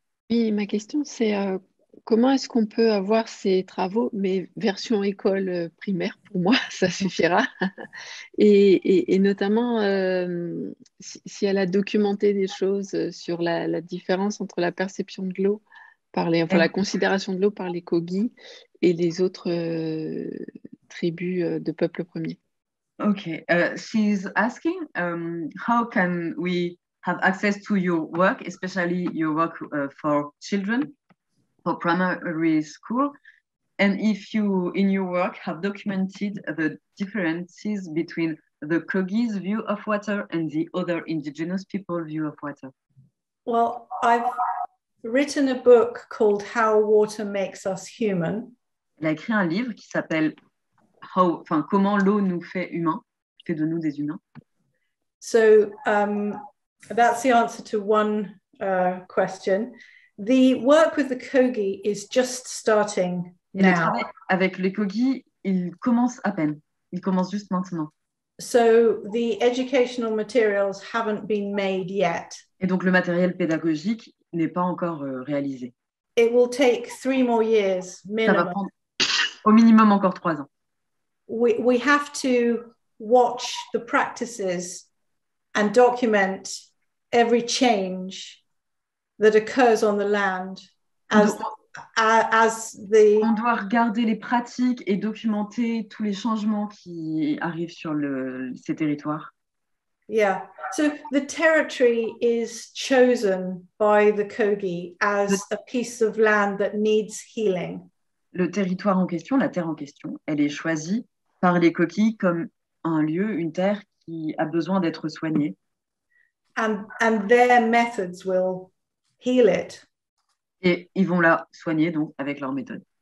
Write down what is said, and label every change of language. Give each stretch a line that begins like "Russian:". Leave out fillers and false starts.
French: Oui, ma question c'est comment est-ce qu'on peut avoir ces travaux, mais version école primaire pour moi, ça suffira. Et notamment si elle a documenté des choses sur la différence entre la perception de l'eau. La considération de l'eau par les Kogi et les autres tribus de peuples premiers.
English: Okay, she's asking how can we have access to your work, especially your work for children, for primary school, And if you, in your work, have documented the differences between the Kogi's view of water and the other indigenous people's view of water? Well, I've written a book called How Water Makes Us Human.
French: Il a écrit un livre qui s'appelle Comment l'eau nous fait humain, fait de nous des humains.
English: So that's the answer to one question. The work with the Kogi is just starting now.
French: Le travail avec les Kogi, il commence à peine. Il commence juste maintenant.
English: So the educational materials haven't been made yet.
French: Et donc le matériel pédagogique n'est pas encore réalisé.
English: It will take 3 more years minimum.
French: Ça va prendre au minimum encore 3 ans.
English: We have to watch the practices and document every change that occurs on the land
French: On doit regarder les pratiques et documenter tous les changements qui arrivent sur ces territoires.
English: Yeah. So the territory is chosen by the Kogi as a piece of land that needs healing.
French: Le territoire en question, la terre en question, elle est choisie par les Kogi comme un lieu, une terre qui a besoin d'être soignée.
English: And their methods will heal it.
French: Et ils vont la soigner donc avec leur méthode.